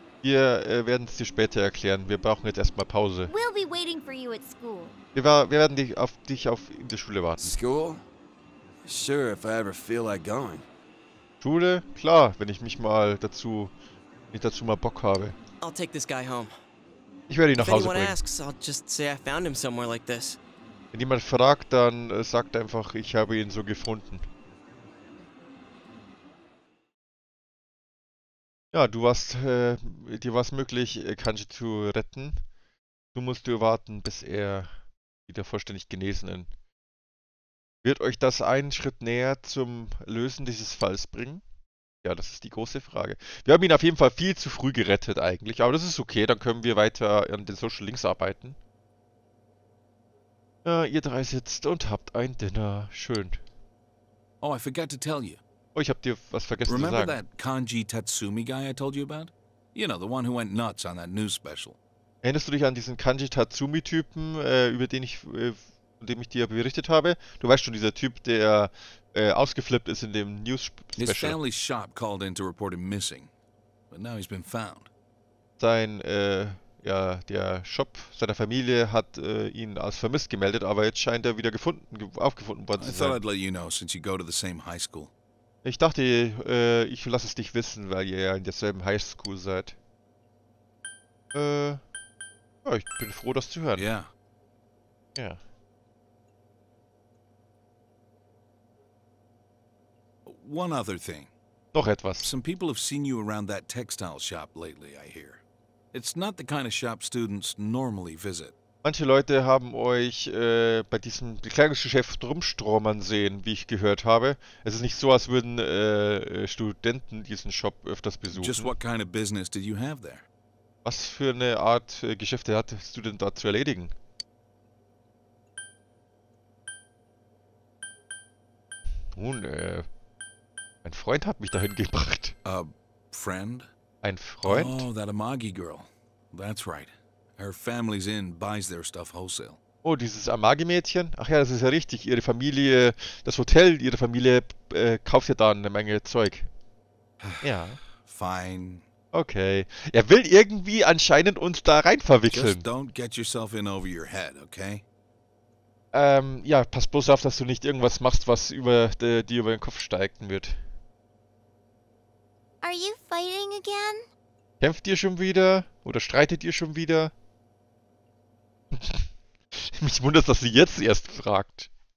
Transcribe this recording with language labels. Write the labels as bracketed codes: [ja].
[de] Wir werden es dir später erklären. Wir brauchen jetzt erstmal Pause. [en] We'll be waiting for you at school. [de] Wir werden dich auf in der Schule warten. [en] School? Sure, if I ever feel like going. [de] Schule? Klar, wenn ich mich mal dazu, nicht dazu mal Bock habe. [en] I'll take this guy home. [de] Ich werde ihn nach Hause bringen. [en] Asks, I'll just say I found him somewhere like this. [de] Wenn jemand fragt, dann sagt einfach, ich habe ihn so gefunden. Ja, du warst, dir war es möglich, Kanji zu retten. Du musst dir warten, bis er wieder vollständig genesen ist. Wird euch das einen Schritt näher zum Lösen dieses Falls bringen? Ja, das ist die große Frage. Wir haben ihn auf jeden Fall viel zu früh gerettet eigentlich, aber das ist okay, dann können wir weiter an den Social Links arbeiten. Ja, ihr drei sitzt und habt ein Dinner. Schön. [en] Oh, I forgot to tell you. [de] Oh, ich hab dir was vergessen [en] Remember [de] zu sagen. [en] Remember that Kanji Tatsumi guy I told you about? You know, the one who went nuts on that news special. [de] Erinnerst du dich an diesen Kanji Tatsumi Typen, über den ich dem ich dir berichtet habe? Du weißt schon, dieser Typ, der ausgeflippt ist in dem News-Special. [en] His family's shop called in to report him missing, but now he's been found. [de] Sein, ja, der Shop seiner Familie hat ihn als vermisst gemeldet, aber jetzt scheint er wieder gefunden, aufgefunden worden zu sein. [en] I thought I'd let you know, since you go to the same high school. [de] Ich dachte, ich lasse es dich wissen, weil ihr ja in derselben High School seid. Ja, ich bin froh, das zu hören. [en] Yeah. [de] Ja. [en] One other thing. [de] Doch etwas. [en] Some people have seen you around that textile shop lately, I hear. It's not the kind of shop students normally visit. [de] Manche Leute haben euch bei diesem Bekleidungsgeschäft rumstromern sehen, wie ich gehört habe. Es ist nicht so, als würden Studenten diesen Shop öfters besuchen. Just what kind of business did you have there? Was für eine Art Geschäfte hattest du denn da zu erledigen? Nun, Ein Freund hat mich dahin gebracht. [en] A friend? [de] Ein Freund? [en] Oh, that Amagi girl. That's right. Her family's inn buys their stuff wholesale. [de] Oh, dieses Amagi-Mädchen? Ach ja, das ist ja richtig. Ihre Familie, das Hotel ihrer Familie kauft ja da eine Menge Zeug. Ja. [en] Fine. [de] Okay. Er will irgendwie anscheinend uns da rein verwickeln. [en] Just don't get yourself in over your head, okay? [de] Ja, pass bloß auf, dass du nicht irgendwas machst, was über dir über den Kopf steigen wird. [en] Are you fighting again? [de] Kämpft ihr schon wieder? Oder streitet ihr schon wieder? Mich wundert, dass sie jetzt erst fragt.